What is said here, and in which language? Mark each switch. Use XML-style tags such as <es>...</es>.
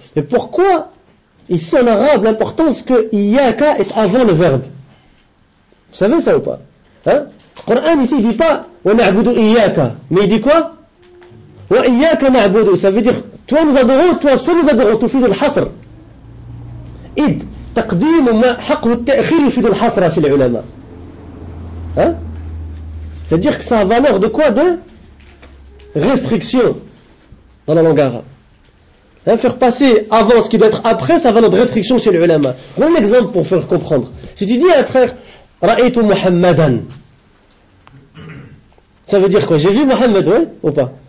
<fr>Mais pourquoi, ici en arabe, l'importance que Iyaka est avant le verbe ? Vous savez ça ou pas ? Hein ? Le Coran ici ne dit pas wa na'budu Iyaka. Mais il dit quoi ? Wa iyaka na'budu. Ça veut dire toi nous adorons, toi seul nous adorons. Tu fais le hasr. Id.</fr> <ar>تقديم ما حقه التأخير يفيد الحصر chez les ulama.</ar> <fr>Hein? C'est-à-dire que ça a valeur de quoi? De restriction dans la langue arabe. Hein? Faire passer avant ce qui doit être après, ça a valeur de restriction chez les ulama. Donne un exemple pour faire comprendre. Si tu dis à un frère, Ra'aytu Muhammadan, ça veut dire quoi? J'ai vu Muhammad, ouais? Ou pas?</fr>